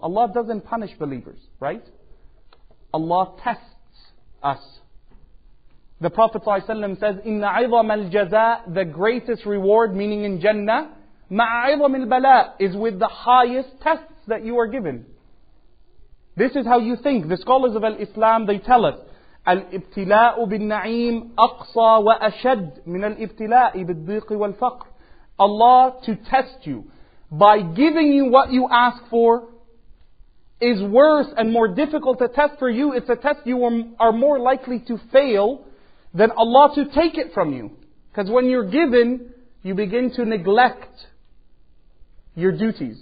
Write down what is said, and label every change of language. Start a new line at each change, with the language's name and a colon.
English: Allah doesn't punish believers, right? Allah tests us. The Prophet ﷺ says,
Arabic: إِنَّ عِظَمَ الْجَزَاءِ,
English: the greatest reward, meaning in Jannah,
Arabic: مَعَ عِظَمِ الْبَلَاءِ,
English: is with the highest tests that you are given. This is how you think. The scholars of Al-Islam, they tell us,
Arabic: الْإِبْتِلَاءُ بِالنَّعِيمِ أَقْصَى وَأَشَدُّ مِنَ الْإِبْتِلَاءِ بِالضِّيقِ وَالْفَقْرِ.
English: Allah to test you by giving you what you ask for is worse and more difficult a test for you. It's a test you are more likely to fail than Allah to take it from you. Because when you're given, you begin to neglect your duties.